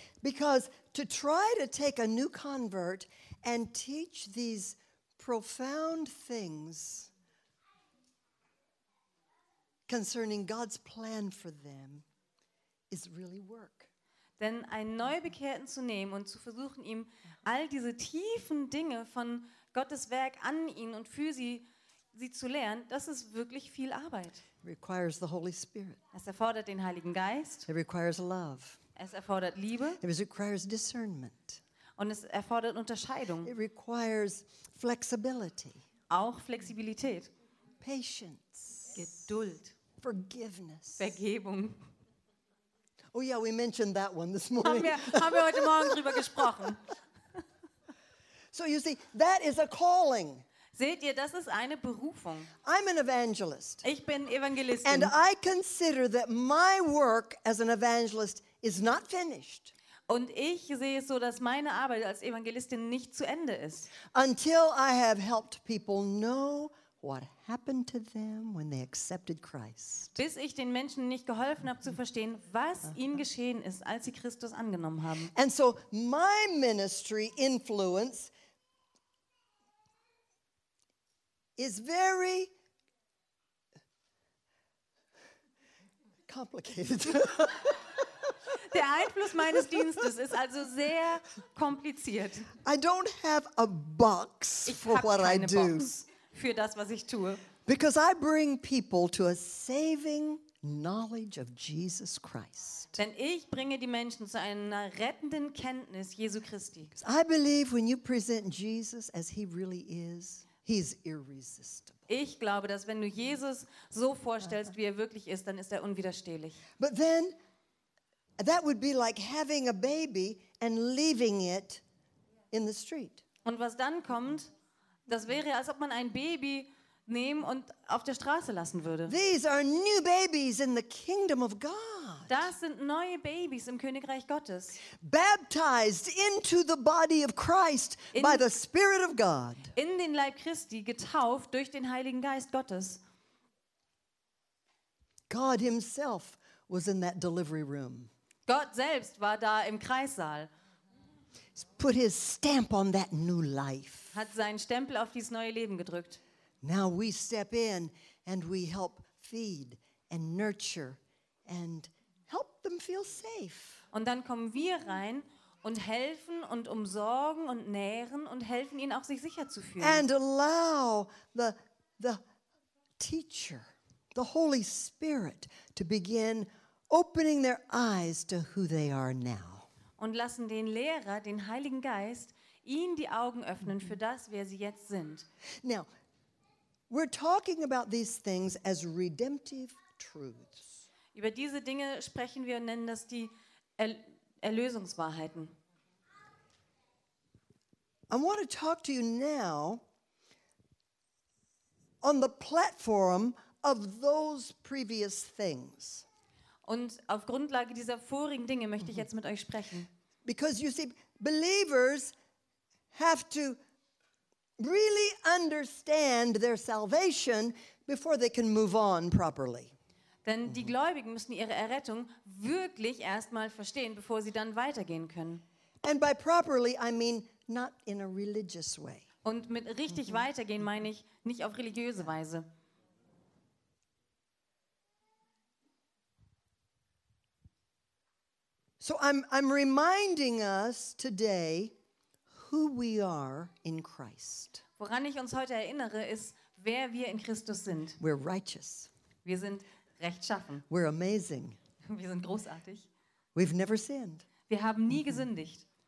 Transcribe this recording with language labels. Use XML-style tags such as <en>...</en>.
<en>Because to try to take a new convert and teach these profound things concerning God's plan for them is really work.</en> <de>Denn einen Neubekehrten zu nehmen und zu versuchen, ihm all diese tiefen Dinge von Gottes Werk an ihn und für sie zu lernen, das ist wirklich viel Arbeit.</de> <en>Requires the Holy Spirit.</en> <de>Es erfordert den Heiligen Geist.</de> <en>It requires love.</en> <de>Es erfordert Liebe.</de> <en>It requires discernment.</en> <de>Und es erfordert Unterscheidung.</de> <en>It requires flexibility.</en> <de>Auch Flexibilität.</de> <en>Patience.</en> <de>Geduld.</de> <en>Forgiveness.</en> <de>Vergebung.</de> <en>Oh yeah, we mentioned that one this morning.</en> <de>Haben wir heute Morgen drüber gesprochen.</de> <en>So you see, that is a calling.</en> <de>Seht ihr, das ist eine Berufung.</de> <en>I'm an evangelist.</en> <de>Ich bin Evangelistin.</de> <en>And I consider that my work as an evangelist is not finished.</en> <de>Und ich sehe es so, dass meine Arbeit als Evangelistin nicht zu Ende ist.</de> <en>Until I have helped people know what happened to them when they accepted Christ.</en> <de>Bis ich den Menschen nicht geholfen habe zu verstehen, was ihnen geschehen ist, als sie Christus angenommen haben.</de> <en>And so my ministry influence is very complicated.</en> <de>Der Einfluss meines Dienstes ist also sehr kompliziert.</de> <en>I don't have a box for what I do.</en> <de>Ich habe keine Box für das, was ich tue.</de> <en>Because I bring people to a saving knowledge of Jesus Christ.</en> <de>Denn ich bringe die Menschen zu einer rettenden Kenntnis Jesu Christi.</de> <en>I believe when you present Jesus as he really is, he's irresistible.</en> <de>Ich glaube, dass wenn du Jesus so vorstellst, wie er wirklich ist, dann ist er unwiderstehlich.</de> <en>But then that would be like having a baby and leaving it in the street.</en> <de>Und was dann kommt, das wäre, als ob man ein Baby nehmen und auf der Straße lassen würde.</de> <en>These are new babies in the kingdom of God.</en> <de>Das sind neue Babys im Königreich Gottes.</de> <en>Baptized into the body of Christ by the Spirit of God.</en> <de>In den Leib Christi getauft durch den Heiligen Geist Gottes.</de> <en>God himself was in that delivery room.</en> <de>Gott selbst war da im Kreissaal.</de> <en>Put his stamp on that new life.</en> <de>Hat seinen Stempel auf dieses neue Leben gedrückt.</de> <en>Now we step in and we help feed and nurture and help them feel safe.</en> <de>Und dann kommen wir rein und helfen und umsorgen und nähren und helfen ihnen auch sich sicher zu fühlen.</de> <en>And allow the teacher, the Holy Spirit, to begin opening their eyes to who they are now.</en> <de>Und lassen den Lehrer, den Heiligen Geist, ihnen die Augen öffnen für das, wer sie jetzt sind.</de> <en>Now, we're talking about these things as redemptive truths.</en> <de>Über diese Dinge sprechen wir und nennen das die Erlösungswahrheiten.</de> <en>I want to talk to you now on the platform of those previous things.</en> <de>Und auf Grundlage dieser vorigen Dinge möchte ich jetzt mit euch sprechen.</de> <en>Because you see, believers have to really understand their salvation before they can move on properly.</en> <de>Denn die Gläubigen müssen ihre Errettung wirklich erstmal verstehen, bevor sie dann weitergehen können.</de> <en>And by properly, I mean not in a religious way.</en> <de>Und mit richtig weitergehen meine ich nicht auf religiöse Weise.</de> <en>So I'm reminding us today who we are in Christ.</en> <de>Woran ich uns heute erinnere, ist, wer wir in Christus sind.</de> <en>We're righteous.</en> <de>Wir sind rechtschaffen.</de> <en>We're amazing.</en> <de>Wir sind großartig.</de> <en>We've never sinned.</en> <de>Wir haben nie gesündigt.</de>